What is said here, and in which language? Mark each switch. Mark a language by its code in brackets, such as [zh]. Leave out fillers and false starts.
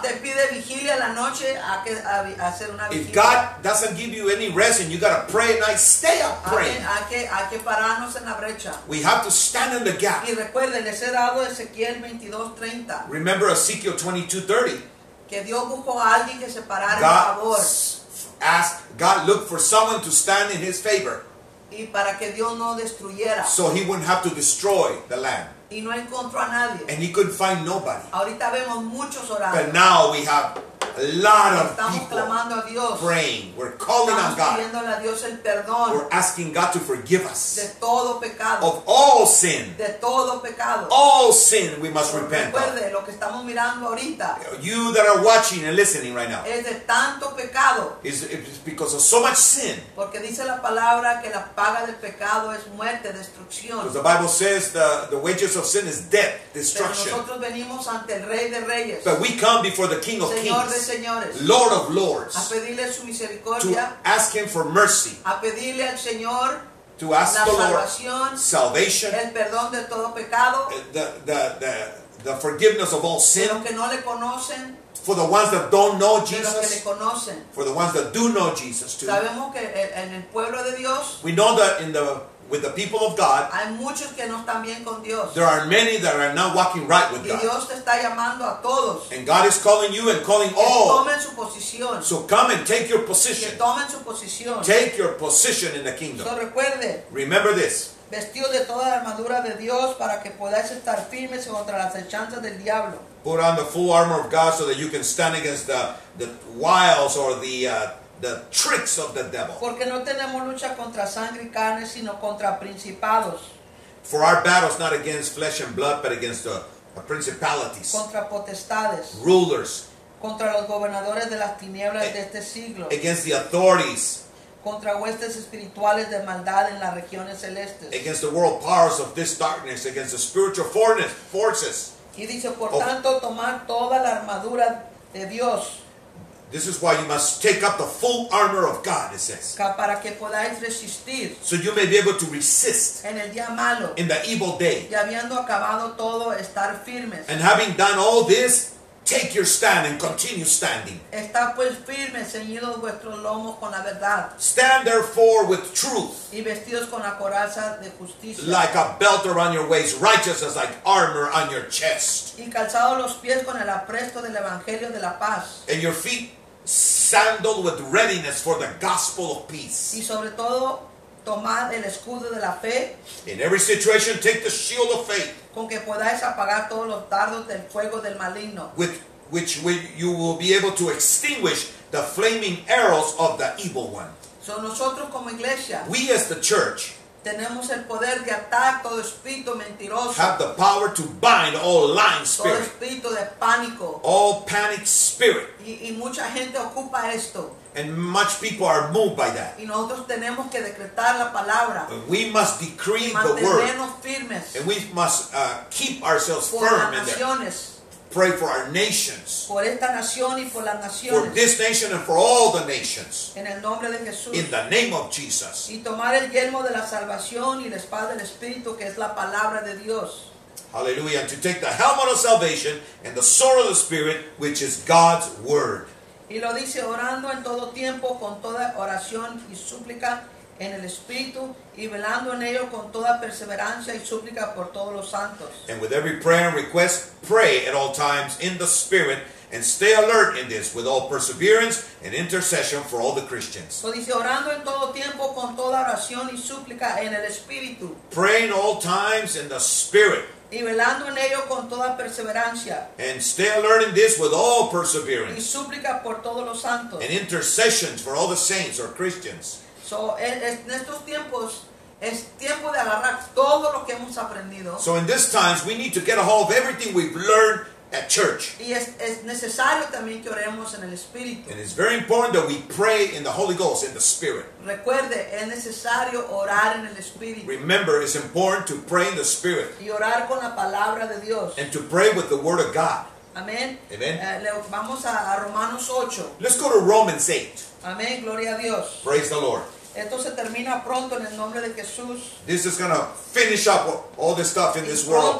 [es] Te pide vigilia la noche a hacer una vigilia. [en] If God doesn't give you any rest and you gotta pray at night, stay up praying. [es] Hay que pararnos en la brecha. [en] We have to stand in the gap. [es] Y recuerden, les he dado Ezequiel 22:30. [en] Remember Ezekiel 22:30. [es] Que Dios buscó a alguien que se parara en favor. [en] God looked for someone to stand in his favor. [es] Y para que Dios no destruyera. [en] So he wouldn't have to destroy the land. [es] Y no encontró a nadie. [en] And he couldn't find nobody. [es] Ahorita vemos muchos orando. [en] But now we have a lot of people praying. We're calling [es] Estamos [en] on God. [es] Pidiéndole a Dios el perdón. [en] We're asking God to forgive us. [es] De todo pecado. [en] Of all sin. [es] De todo pecado. [en] All sin we must repent of. [es] Recuerde lo que estamos mirando ahorita. [en] You that are watching and listening right now. [es] Es de tanto pecado. [en] It's because of so much sin. [es] Porque dice la palabra que la paga del pecado es muerte, destrucción. [en] Because the Bible says the wages of sin is death, destruction. [es] Pero nosotros venimos ante el Rey de Reyes. [en] But we come before the King of [es] Señor [en] Kings. [es] Señores, [en] Lord of Lords, [es] a pedirle su misericordia, [en] to ask him for mercy, [es] a pedirle al Señor, [en] to ask the Lord [es] salvación, [en] salvation, [es] el perdón de todo pecado, [en] the forgiveness of all sin, [es] que no le conocen, [en] for the ones that don't know Jesus, [es] que le conocen, [en] for the ones that do know Jesus too. [es] Sabemos que en el pueblo de Dios, [en] we know that in the with the people of God, [es] hay muchos que no están bien con Dios. [en] There are many that are not walking right with [es] y Dios [en] God. [es] Te está llamando a todos. [en] And God is calling you and calling [es] que [en] all. [es] Tomen su posición. [en] So come and take your position. [es] Que tomen su posición. [en] Take your position in the kingdom. [es] So recuerde, [en] remember this. [es] Vestido de toda la armadura de Dios para que podáis estar firmes contra las acechanzas del diablo. [en] Put on the full armor of God so that you can stand against the wiles or the tricks of the devil. [es] Porque no tenemos lucha contra sangre y carne, sino contra principados. [en] For our battle is not against flesh and blood, but against the principalities. [es] Contra potestades. [en] Rulers. [es] Contra los gobernadores de las tinieblas de este siglo. [en] Against the authorities. [es] Contra huestes espirituales de maldad en las regiones celestes. [en] Against the world powers of this darkness, against the spiritual forces. [es] Y dice, por tanto, tomar toda la armadura de Dios. [en] This is why you must take up the full armor of God, it says. [es] Para que podáis resistir. [en] So you may be able to resist. [es] En el día malo. [en] In the evil day. [es] Y habiendo acabado todo, estar firmes. [en] And having done all this, take your stand and continue standing. [es] Está pues firme, ceñidos vuestros lomos con la verdad. [en] Stand therefore with truth. [es] Y vestidos con la coraza de justicia. [en] Like a belt around your waist, righteousness like armor on your chest. [es] Y calzados los pies con el apresto del evangelio de la paz. [en] And your feet sandaled with readiness for the gospel of peace. [es] Y sobre todo, tomad el escudo de la fe. [en] In every situation, take the shield of faith. [es] Con que podáis apagar todos los dardos del fuego del maligno. [en] Which you will be able to extinguish the flaming arrows of the evil one. [es] So nosotros como iglesia, [en] we as the church, [es] tenemos el poder de atar todo espíritu mentiroso. [en] Have the power to bind all lying spirits. [es] Todo espíritu de pánico. [en] All panic spirit. [es] Y mucha gente ocupa esto. [en] And much people are moved by that. [es] Y nosotros tenemos que decretar la palabra. [en] We must decree the word. [es] Mantenernos firmes. [en] And we must keep ourselves [es] por [en] firm [es] las naciones. [en] In there. Pray for our nations. [es] Por esta nación y por las naciones. [en] For this nation and for all the nations. [es] En el nombre de Jesús. [en] In the name of Jesus. [es] Y tomar el yelmo de la salvación y la espada del Espíritu, que es la palabra de Dios. [en] Hallelujah. And to take the helmet of salvation and the sword of the Spirit, which is God's word. [es] Y lo dice orando en todo tiempo con toda oración y súplica en el Espíritu y velando en ello con toda perseverancia y súplica por todos los santos. [en] And with every prayer and request, pray at all times in the Spirit and stay alert in this with all perseverance and intercession for all the Christians. [es] Lo dice orando en todo tiempo con toda oración y súplica en el Espíritu. [en] Praying all times in the Spirit. [es] Y velando en ello con toda perseverancia. [en] And stay alert in this with all perseverance. [es] Y súplica por todos los santos. [en] And intercessions for all the saints or Christians. [es] So, en estos tiempos, es tiempo de agarrar todo lo que hemos aprendido. [en] So, in these times, we need to get a hold of everything we've learned at church. [es] Y es necesario también que oremos en el Espíritu. [en] And it's very important that we pray in the Holy Ghost, in the Spirit. [es] Recuerde, es necesario orar en el Espíritu. [en] Remember, it's important to pray in the Spirit. [es] Y orar con la palabra de Dios. [en] And to pray with the Word of God. [es] Amén. [en] Amen. [es] Vamos a Romanos 8. [en] Let's go to Romans 8. [es] Amén, gloria a Dios. [en] Praise the Lord. [es] Esto se termina pronto en el nombre de Jesús. [en] This is going to finish up all this stuff in this world.